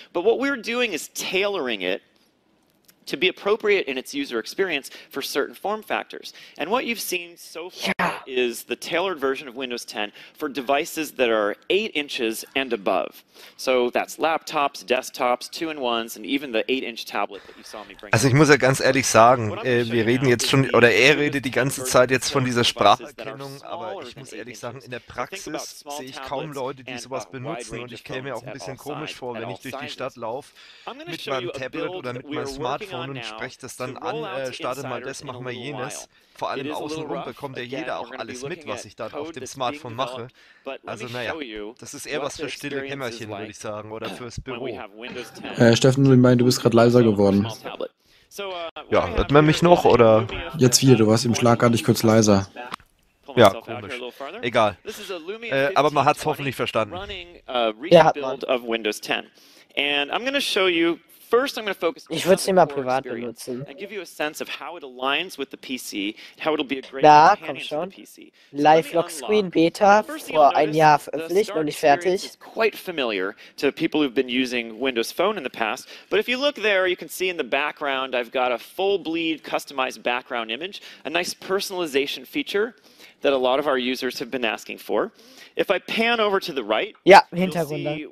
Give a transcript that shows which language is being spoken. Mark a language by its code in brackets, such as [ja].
[en] But what we're doing is tailoring it to be appropriate in its user experience for certain form factors. And what you've seen so far is the tailored version of Windows 10 for devices that are 8 inches and above. So that's laptops, desktops, 2-in-1s, and even the 8-inch tablet that you saw me bring. [de] Also, ich muss ja ganz ehrlich sagen, wir reden jetzt schon, oder er redet die ganze Zeit jetzt von dieser Spracherkennung, aber ich muss ehrlich sagen, in der Praxis sehe ich kaum Leute, die sowas benutzen, und ich käme mir auch ein bisschen komisch vor, wenn ich durch die Stadt laufe mit meinem Tablet oder mit meinem Smartphone. Und sprecht das dann an, starte mal das, mach mal jenes. Vor allem außenrum bekommt ja jeder auch alles mit, was ich da auf dem Smartphone mache. Also naja, das ist eher was für stille Kämmerchen, würde ich sagen, oder fürs Büro. Steffen, ich meine, du bist gerade leiser geworden. Ja, hört man mich noch, oder? Jetzt wieder, du warst eben schlagartig kurz leiser. Ja, komisch. Egal. Aber man hat es hoffentlich verstanden. Ja, hat man. Und ich werde dir zeigen, [en] first, I'm going to focus [de] ich würde es immer privat benutzen. [en] And give you a sense of how it aligns with the PC, how it'll be a great da, companion to the PC. [de] Live Lock Screen Beta vor ein Jahr veröffentlicht, noch nicht fertig. [en] It's quite familiar to people who've been using Windows Phone in the past, but if you look there, you can see in the background I've got a full bleed customized background image, a nice personalization feature that a lot of our users have been asking for. If I pan over to the right, [de] ja, Hintergründe. [en] You'll see